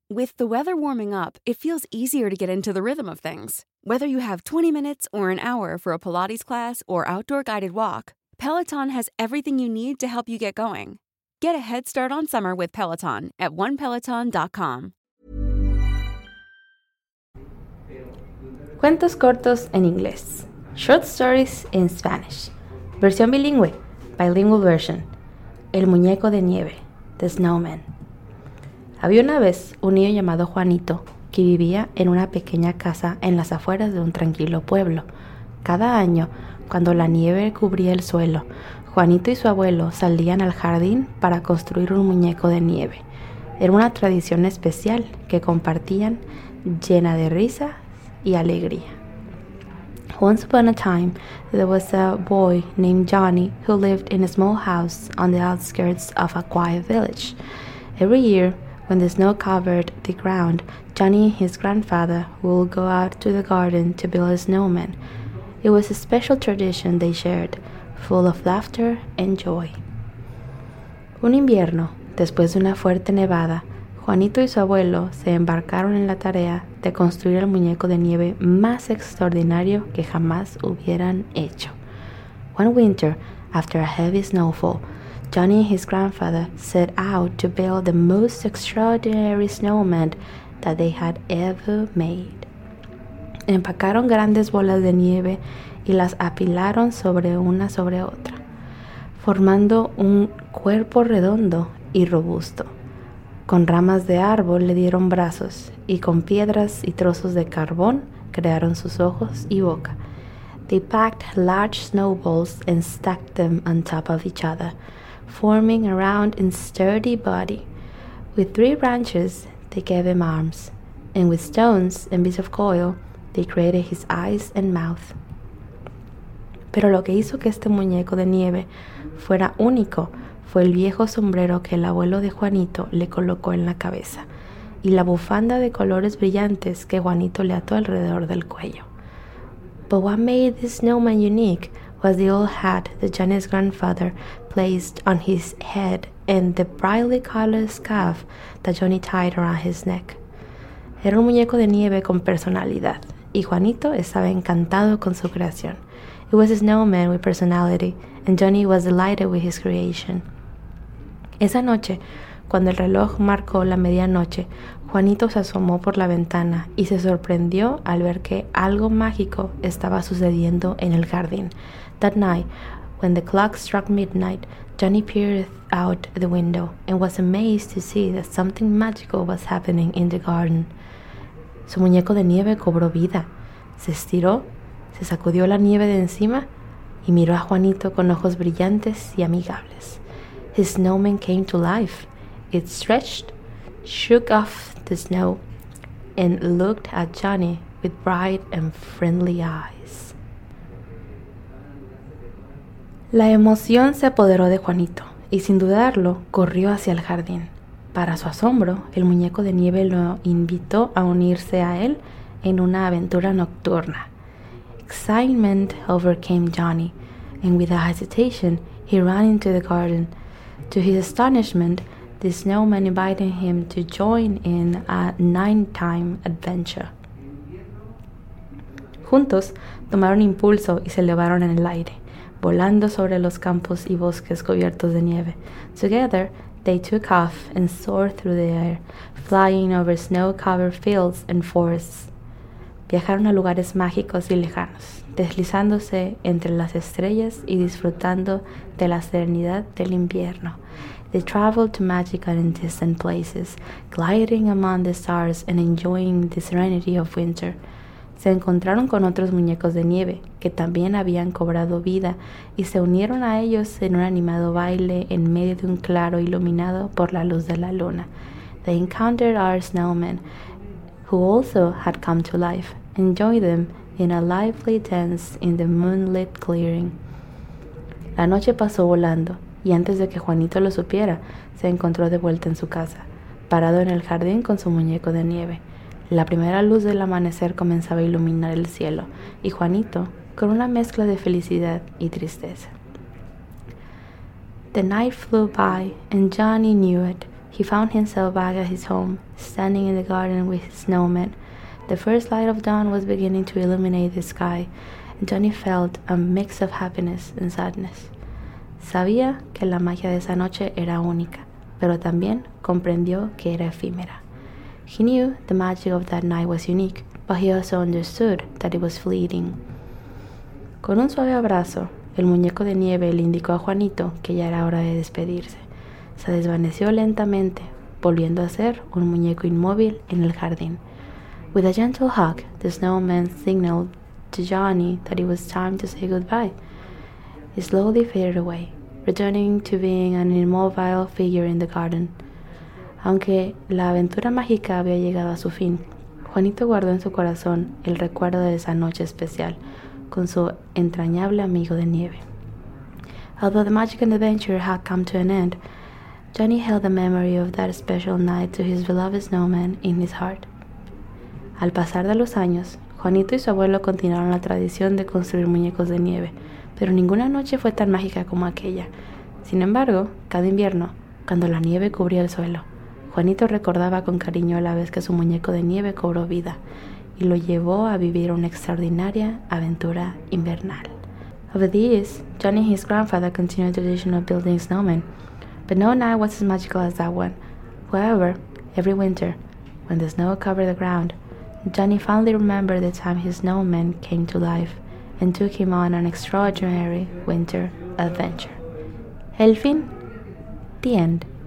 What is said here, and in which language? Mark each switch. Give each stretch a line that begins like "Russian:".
English: With the weather warming up, it feels easier to get into the rhythm of things. Whether you have 20 minutes or an hour for a Pilates class or outdoor guided walk, Peloton has everything you need to help you get going. Get a head start on summer with Peloton at onepeloton.com.
Spanish: Cuentos cortos en inglés.
English: Short stories in Spanish.
Spanish: Versión bilingüe.
English: Bilingual version.
Spanish: El muñeco de nieve,
English: The Snowman.
Spanish: Había una vez un niño llamado Juanito que vivía en una pequeña casa en las afueras de un tranquilo pueblo. Cada año, cuando la nieve cubría el suelo, Juanito y su abuelo salían al jardín para construir un muñeco de nieve. Era una tradición especial que compartían, llena de risa y alegría.
English: Once upon a time, there was a boy named Johnny who lived in a small house on the outskirts of a quiet village. Every year, when the snow covered the ground, Johnny and his grandfather would go out to the garden to build a snowman. It was a special tradition they shared, full of laughter and joy.
Spanish: Un invierno, después de una fuerte nevada, Juanito y su abuelo se embarcaron en la tarea de construir el muñeco de nieve más extraordinario que jamás hubieran hecho.
English: One winter, after a heavy snowfall, Johnny and his grandfather set out to build the most extraordinary snowman that they had ever made.
Spanish: Empacaron grandes bolas de nieve y las apilaron sobre una sobre otra, formando un cuerpo redondo y robusto. Con ramas de árbol le dieron brazos, y con piedras y trozos de carbón crearon sus ojos y boca.
English: They packed large snowballs and stacked them on top of each other, forming a round and sturdy body. With three branches, they gave him arms, and with stones and bits of coil, they created his eyes and mouth.
Spanish: Pero lo que hizo que este muñeco de nieve fuera único fue el viejo sombrero que el abuelo de Juanito le colocó en la cabeza y la bufanda de colores brillantes que Juanito le ató alrededor del cuello.
English: But what made this snowman unique was the old hat that Johnny's grandfather placed on his head and the brightly colored scarf that Johnny tied around his neck.
Spanish: Era un muñeco de nieve con personalidad y Juanito estaba encantado con su creación.
English: It was a snowman with personality, and Johnny was delighted with his creation.
Spanish: Esa noche, cuando el reloj marcó la medianoche, Juanito se asomó por la ventana y se sorprendió al ver que algo mágico estaba sucediendo en el jardín.
English: That night, when the clock struck midnight, Johnny peered out the window and was amazed to see that something magical was happening in the garden.
Spanish: Su muñeco de nieve cobró vida. Se estiró, se sacudió la nieve de encima y miró a Juanito con ojos brillantes y amigables.
English: His snowman came to life. It stretched, shook off the snow, and looked at Johnny with bright and friendly eyes.
Spanish: La emoción se apoderó de Juanito y sin dudarlo corrió hacia el jardín. Para su asombro, el muñeco de nieve lo invitó a unirse a él en una aventura nocturna.
English: Excitement overcame Johnny, and without hesitation, he ran into the garden. To his astonishment, the snowman invited him to join in a nighttime adventure.
Spanish: Juntos, tomaron impulso y se elevaron en el aire, volando sobre los campos y bosques cubiertos de nieve.
English: Together, they took off and soared through the air, flying over snow-covered fields and forests.
Spanish: Viajaron a lugares mágicos y lejanos, deslizándose entre las estrellas y disfrutando de la serenidad del invierno.
English: They traveled to magical and distant places, gliding among the stars and enjoying the serenity of winter.
Spanish: Se encontraron con otros muñecos de nieve, que también habían cobrado vida, y se unieron a ellos en un animado baile en medio de un claro iluminado por la luz de la luna.
English: They encountered our snowman, who also had come to life, and joined them in a lively dance in the moonlit clearing.
Spanish: La noche pasó volando, y antes de que Juanito lo supiera, se encontró de vuelta en su casa, parado en el jardín con su muñeco de nieve. La primera luz del amanecer comenzaba a iluminar el cielo, y Juanito, con una mezcla de felicidad y tristeza.
English: The night flew by, and Johnny knew it. He found himself back at his home, standing in the garden with his snowman. The first light of dawn was beginning to illuminate the sky, and Johnny felt a mix of happiness and sadness.
Spanish: Sabía que la magia de esa noche era única, pero también comprendió que era efímera.
English: He knew the magic of that night was unique, but he also understood that it was fleeting.
Spanish: Con un suave abrazo, el muñeco de nieve le indicó a Juanito que ya era hora de despedirse. Se desvaneció lentamente, volviendo a ser un muñeco inmóvil en el jardín.
English: With a gentle hug, the snowman signaled to Johnny that it was time to say goodbye. He slowly faded away, returning to being an immobile figure in the garden.
Spanish: Aunque la aventura mágica había llegado a su fin, Juanito guardó en su corazón el recuerdo de esa noche especial con su entrañable amigo de nieve.
English: Although the magic and adventure had come to an end, Johnny held the memory of that special night to his beloved snowman in his heart.
Spanish: Al pasar de los años, Juanito y su abuelo continuaron la tradición de construir muñecos de nieve, pero ninguna noche fue tan mágica como aquella. Sin embargo, cada invierno, cuando la nieve cubría el suelo, Juanito recordaba con cariño la vez que su muñeco de nieve cobró vida y lo llevó a vivir una extraordinaria aventura invernal.
English: Over the years, Johnny and his grandfather continued the tradition of building snowmen, but no night was as magical as that one. However, every winter, when the snow covered the ground, Johnny fondly remembered the time his snowman came to life and took him on an extraordinary winter adventure.
Spanish: El fin.
English: The end.